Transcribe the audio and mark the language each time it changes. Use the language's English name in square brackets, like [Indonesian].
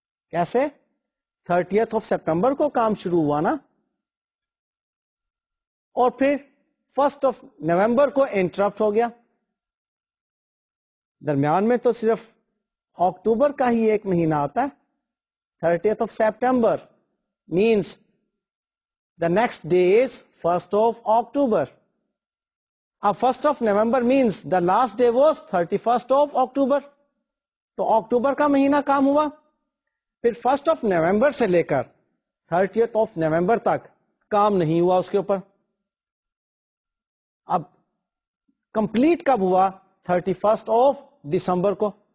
[Urdu] کیسے؟ 30th of September کو کام شروع ہوا نا, اور پھر 1st آف نومبر کو انٹرپٹ ہو گیا, درمیان میں تو صرف اکتوبر کا ہی 1 month آتا ہے. [English] 30th of September means the next day is 1st of October. اب 1st of November means the last day was 31st of October, [Urdu] تو اکتوبر کا مہینہ کام ہوا. پھر 1st آف نومبر سے لے کر 30th آف نومبر تک کام نہیں ہوا اس کے اوپر. اب کمپلیٹ کب ہوا؟ 31st آف دسمبر کو.